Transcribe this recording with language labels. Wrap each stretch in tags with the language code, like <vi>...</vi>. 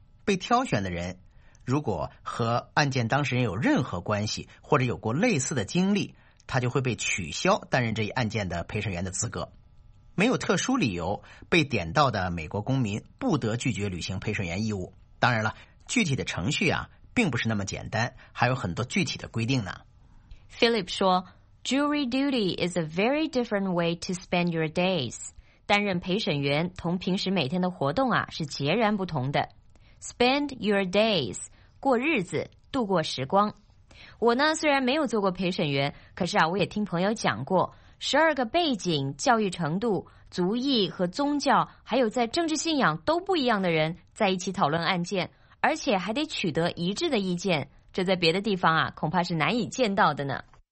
<zh>被挑选的人如果和案件当事人有任何关系或者有过类似的经历，他就会被取消担任这一案件的陪审员的资格。没有特殊理由，被点到的美国公民不得拒绝履行陪审员义务。当然了，具体的程序啊并不是那么简单，还有很多具体的规定呢。</zh> <en>Philip</en> <zh>说</zh> <en>Jury duty is a very different way to spend your days.</en> <zh>担任陪审员同平时每天的活动啊是截然不同的。</zh> <en>Spend your days,</en> <zh>过日子，度过时光。我呢虽然没有做过陪审员，可是啊我也听朋友讲过，12个背景、教育程度、族裔和宗教，还有在政治信仰都不一样的人在一起讨论案件，而且还得取得一致的意见，这在别的地方啊恐怕是难以见到的呢。</zh>